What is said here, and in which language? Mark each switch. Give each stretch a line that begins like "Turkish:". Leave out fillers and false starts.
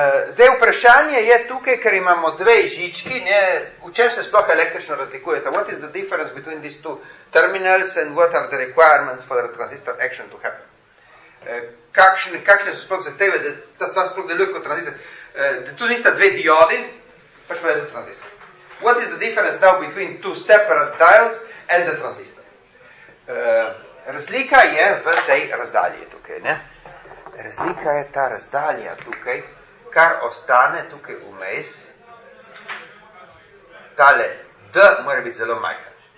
Slovenian: Zdaj, vprašanje je tukaj, ker imamo dve žički, ne, v čem se sploh električno razlikujete?
English: What is the difference between these two terminals and what are the requirements for the transistor action to happen?
Slovenian: Kakšne so sploh zahteve, da ta stvar sploh deluje kot transistor? Tu nista dve diodi, pa šlo je do transistor.
English: What is the difference now between two separate diodes and the transistor?
Slovenian: Razlika je v tej razdalji tukaj, ne? Razlika je ta razdalja tukaj, kar ostane tukaj vmes, tale D mora biti zelo majhen.